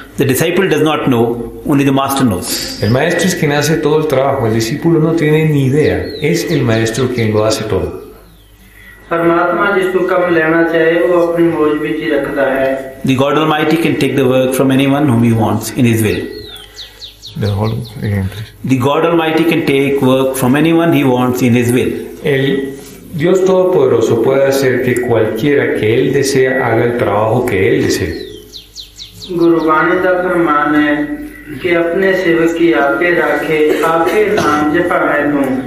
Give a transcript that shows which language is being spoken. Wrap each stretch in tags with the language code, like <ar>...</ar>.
<en>The disciple does not know, only the master knows.</en> <es>El maestro es quien hace todo el trabajo, el discípulo no tiene ni idea, es el maestro quien lo hace todo.</es> <en>The God Almighty can take the work from anyone whom he wants in his will. The God Almighty can take work from anyone he wants in his will.</en> <es>El Dios Todopoderoso puede hacer que cualquiera que él desea haga el trabajo que él desee.</es> <pa>Gurbani da farman hai ਕਿ ਆਪਣੇ ਸੇਵਕ ਕੀ ਆਪੇ ਰਾਖੇ ਆਪੇ ਨਾਮ ਜਪਾਵੇ ਤੂੰ।</pa>